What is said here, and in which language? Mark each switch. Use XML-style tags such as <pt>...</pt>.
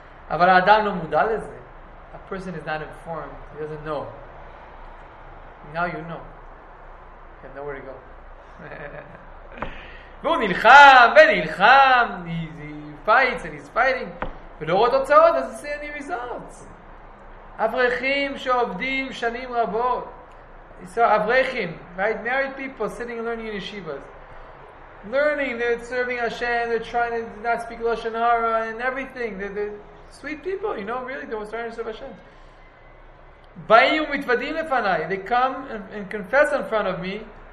<he>Aval ha'adam lo muda leze.</he> <en>A person is not informed, he doesn't know. Now you know. You have nowhere to go.</en> <he>והוא נלחם ונלחם,</he> <en>he fights and he's fighting,</en> <he>ולראות הוצאות, אז זה</he> <en>any results.</en> <he>אברכים שעובדים שנים רבות.</he> <en>So, אברכים, right? Married people sitting and learning in yeshivas. Learning, they're serving Hashem, they're trying to not speak Lashon Hara and everything. They're sweet people, you know, really, they're trying to serve Hashem.</en> <he>באים ומתוודים לפניי,</he> <en>they come and confess in front of me.</en>